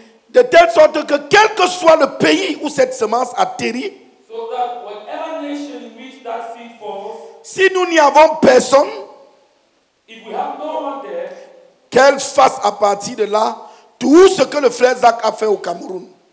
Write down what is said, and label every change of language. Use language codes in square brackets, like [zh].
[fr] De telle sorte que quel que soit le pays où cette semence atterrit, [en] so that whatever nation in which that seed falls, [fr] si nous n'y avons personne, [en] if we have no one there, [fr] qu'elle fasse à partir de là tout ce que le frère Zach a fait au Cameroun.